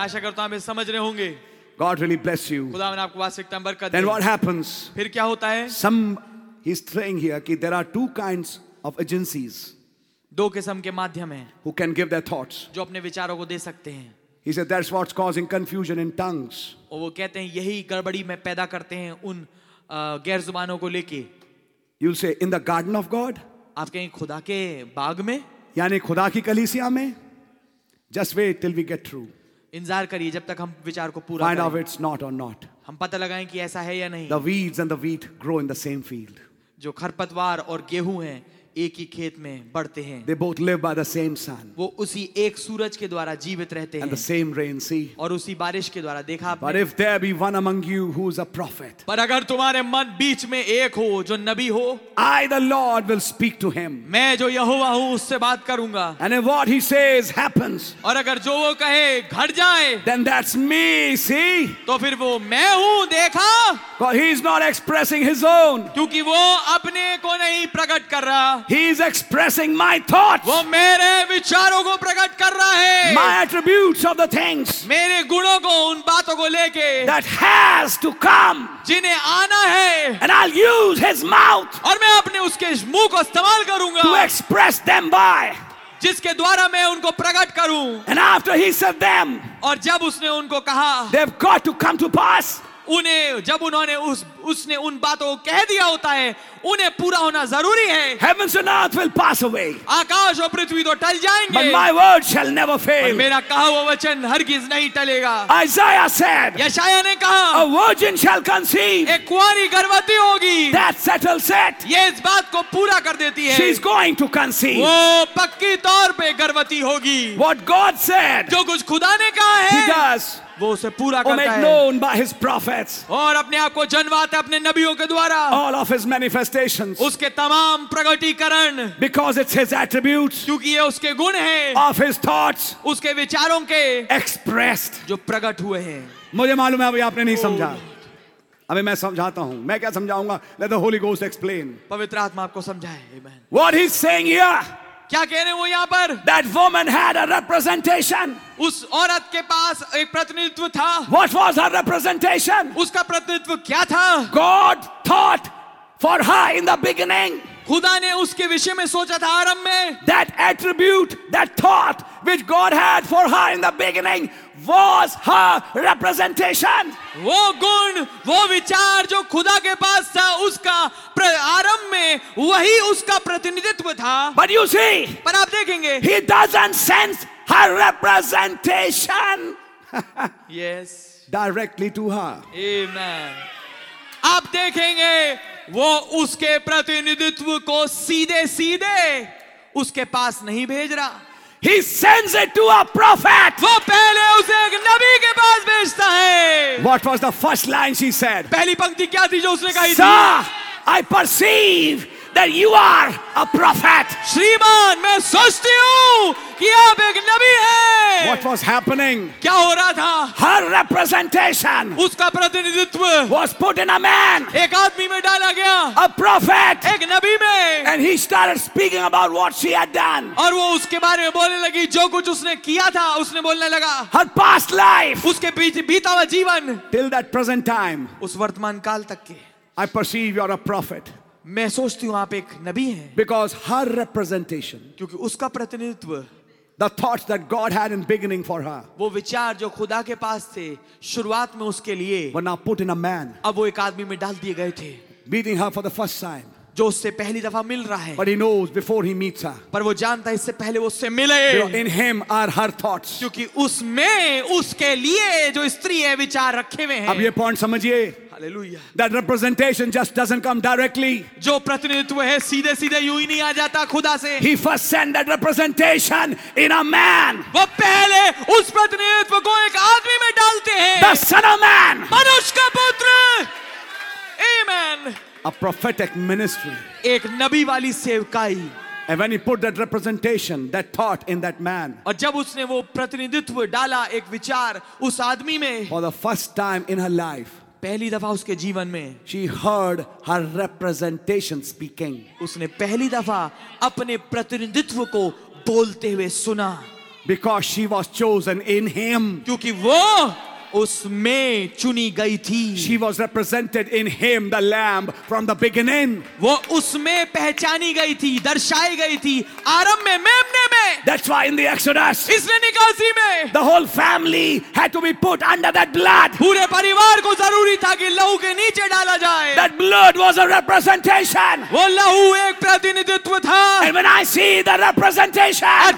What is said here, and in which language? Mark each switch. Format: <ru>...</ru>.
<hi>आशा करता हूँ आप समझ रहे होंगे.</hi> <en>God really bless you.</en> <hi>खुदा ने आपको वास्तविकता में बरकत दी.</hi> <en>Then what happens?</en> <hi>फिर क्या होता है?</hi> <en>He's saying here</en> <hi>कि</hi> <en>there are two kinds of agencies.</en> <hi>दो किस्म के माध्यम हैं.</hi> <en>Who can give their thoughts?</en> <hi>जो अपने विचारों को दे सकते हैं.</hi> <en>He said, "That's what's causing confusion in tongues."</en> <hi>वो कहते हैं यही गड़बड़ी में पैदा करते हैं उन गैर जुबानों को लेके.</hi> <en>You'll say, "In the garden of God."</en> <hi>आप कहें खुदा के बाग में. यानी खुदा की कलीसिया में.</hi> <en>Just wait till we get through.</en> <hi>इंतजार करिए जब तक हम विचार को पूरा.</hi> <en>Find out if it's not or not.</en> <hi>हम पता लगाएं कि ऐसा है या नहीं.</hi> <en>The weeds and the wheat grow in the same field.</en> <hi>जो खरपतवार और गेहूं हैं एक ही खेत में बढ़ते हैं.</hi> <en>They both live by the same sun.</en> <hi>वो उसी एक सूरज के द्वारा जीवित रहते हैं.</hi> <en>And the same rain, see.</en> <hi>और उसी बारिश के द्वारा देखा.</hi> <en>But if there be one among you who is a prophet.</en> <hi>पर अगर तुम्हारे मन बीच में एक हो जो नबी हो.</hi> <en>I the Lord will speak to him.</en> <hi>मैं जो यहोवा हूँ उससे बात करूँगा.</hi> <en>And if what he says happens.</en> <hi>और अगर जो वो कहे घट जाए.</hi> <en>Then that's me, see.</en> <hi>तो फिर वो मैं हूँ देखा.</hi> <en>But he is not expressing his own.</en> <hi>क्योंकि वो अपने को नहीं प्रकट कर रहा.</hi> <en>He is expressing my thoughts.</en> <hi>वो मेरे विचारों को प्रकट कर रहा है.</hi> <en>My attributes of the things.</en> <hi>मेरे गुणों को उन बातों को लेके.</hi> <en>That has to come.</en> <hi>जिन्हें आना है.</hi> <en>And I'll use his mouth.</en> <hi>और मैं अपने उसके मुंह को इस्तेमाल करूंगा.</hi> <en>To express them by.</en> <hi>जिसके द्वारा मैं उनको प्रकट करूं.</hi> <en>And after he said them.</en> <hi>और जब उसने उनको कहा.</hi> <en>They've got to come to pass.</en> <hi>उन्हें जब उन्होंने उसने उन बातों को कह दिया होता है उन्हें पूरा होना जरूरी है.</hi> <en>Heavens and earth will pass away.</en> <hi>आकाश और पृथ्वी तो टल जाएंगे.</hi> <en>But my word shall never fail.</en> <hi>मेरा कहा हुआ वचन हरगिज नहीं टलेगा.</hi> <en>Isaiah said.</en> <hi>यशायाह ने कहा.</hi> <en>A virgin shall conceive.</en> <hi>एक कुंवारी गर्भवती होगी.</hi> <en>That settles it.</en> <hi>ये इस बात को पूरा कर देती है.</hi> <en>She is going to conceive.</en> <hi>वो पक्की तौर पे गर्भवती होगी.</hi> <en>What God said.</en> <hi>जो कुछ खुदा ने कहा है.</hi> <en>He does.</en> <hi>वो उसे पूरा करता है.</hi> <en>Made known by his prophets.</en> <hi>और अपने आप को जनवाते अपने नबियों के द्वारा.</hi> <en>All of his manifestations.</en> <hi>उसके तमाम प्रकटीकरण.</hi> <en>Because it's his attributes.</en> <hi>क्योंकि ये उसके गुण हैं.</hi> <en>Of his thoughts.</en> <hi>उसके विचारों के.</hi> <en>Expressed.</en> <hi>जो प्रकट हुए हैं. मुझे मालूम है अभी आपने नहीं समझा. अभी मैं समझाता हूँ. मैं क्या समझाऊंगा.</hi> <en>Let the Holy Ghost explain.</en> <hi>पवित्र आत्मा आपको समझाए.</hi> <en>Amen. What he's saying here.</en> <hi>क्या कह रहे हैं वो यहाँ पर.</hi> <en>That woman had a representation.</en> <hi>उस औरत के पास एक प्रतिनिधित्व था.</hi> <en>What was her representation?</en> <hi>उसका प्रतिनिधित्व क्या था.</hi> <en>God thought for her in the beginning.</en> <hi>खुदा ने उसके विषय में सोचा था आरंभ में.</hi> <en>That attribute, that thought which God had for her in the beginning was her representation.</en> <hi>वो गुण वो विचार जो खुदा के पास था उसका आरंभ में वही उसका प्रतिनिधित्व था.</hi> <en>But you see,</en> <hi>पर आप देखेंगे.</hi> <en>He doesn't sense her representation. Yes. Directly to her. Amen.</en> <hi>आप देखेंगे वो उसके प्रतिनिधित्व को सीधे सीधे उसके पास नहीं भेज रहा.</hi> <en>He sends it to a prophet.</en> <hi>वो पहले उसे एक नबी के पास भेजता है.</hi> <en>What was the first line she said?</en> <hi>पहली पंक्ति क्या थी जो उसने कही थी?</hi> <en>Sir, I perceive that you are a prophet.</en> <hi>श्रीमान मैं सोचती हूँ कि आप एक नबी हैं.</hi> <en>What was happening?</en> <hi>क्या हो रहा था?</hi> <en>Her representation.</en> <hi>उसका प्रतिनिधित्व.</hi> <en>Was put in a man.</en> <hi>एक आदमी में डाला गया.</hi> <en>A prophet.</en> <hi>एक नबी में.</hi> <en>And he started speaking about what she had done.</en> <hi>और वो उसके बारे में बोलने लगी जो कुछ उसने किया था उसने बोलने लगा.</hi> <en>Her past life.</en> <hi>उसके पीछे बीता हुआ जीवन.</hi> <en>Till that present time.</en> <hi>उस वर्तमान काल तक के.</hi> <en>I perceive you are a prophet.</en> <hi>मैं सोचती हूँ आप एक नबी हैं.</hi> <en>Because her representation,</en> <hi>क्योंकि उसका प्रतिनिधित्व,</hi> <en>the thoughts that God had in beginning for her,</en> <hi>वो विचार जो खुदा के पास थे शुरुआत में उसके लिए,</hi> <en>were now put in a man,</en> <hi>अब वो एक आदमी में डाल दिए गए थे,</hi> <en>meeting her for the first time,</en> <hi>जो उससे पहली दफा मिल रहा है,</hi> <en>but he knows before he meets her,</en> <hi>पर वो जानता है इससे पहले वो उससे मिले,</hi> <en>in him are her thoughts,</en> <hi>क्योंकि उसमें उसके लिए जो स्त्री है विचार रखे हुए हैं. अब ये पॉइंट समझिए.</hi> <en>That representation just doesn't come directly.</en> <hi>जो प्रतिनिधित्व है सीधे सीधे यूं ही नहीं आ जाता खुदा से.</hi> <en>He first sent that representation in a man.</en> <hi>वो पहले उस प्रतिनिधित्व को एक आदमी में डालते हैं.</hi> <en>The son of man.</en> <hi>मनुष्य का पुत्र. Amen.</hi> <en>A prophetic ministry.</en> <hi>एक नबी वाली सेवकाई.</hi> <en>And when he put that representation, that thought in that man.</en> <hi>और जब उसने वो प्रतिनिधित्व डाला एक विचार उस आदमी में.</hi> <en>For the first time in her life.</en> <hi>पहली दफा उसके जीवन में.</hi> <en>She heard her representation speaking.</en> <hi>उसने पहली दफा अपने प्रतिनिधित्व को बोलते हुए सुना.</hi> <en>Because she was chosen in him.</en> <hi>क्योंकि वो उसमें चुनी गई थी.</hi> <en>She was represented in him, the lamb, from the beginning.</en> <hi>वो उसमें पहचानी गई थी दर्शाई गई थी आरंभ में मेमने में.</hi> <en>That's why in the Exodus,</en> <hi>इसने निकासी में,</hi> <en>the whole family had to be put under that blood.</en> <hi>पूरे परिवार को जरूरी था कि लहू के नीचे डाला जाए.</hi> <en>That blood was a representation.</en> <hi>वो लहू एक प्रतिनिधित्व था.</hi> <en>And when I see the representation,</en>